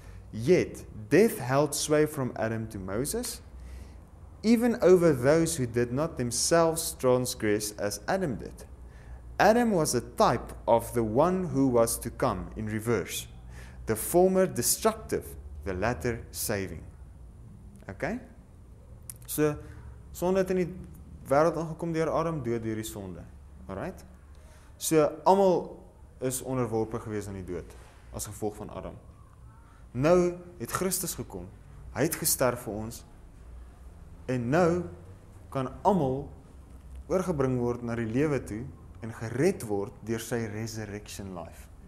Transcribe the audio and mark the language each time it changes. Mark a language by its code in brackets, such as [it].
[en] Yet death held sway from Adam to Moses, even over those who did not themselves transgress as Adam did. Adam was a type of the one who was to come in reverse, the former destructive, the latter saving. Okay? [af] So, sonde het in die wereld aangekom deur Adam, dood deur die sonde. [en] Alright? [af] So, allemaal is onderworpen geweest aan die dood, als gevolg van Adam. Nou het Christus gekomen, hij het gesterf voor ons, en nou kan allemaal oorgebring word naar die lewe toe, en gered word door sy [en] resurrection life.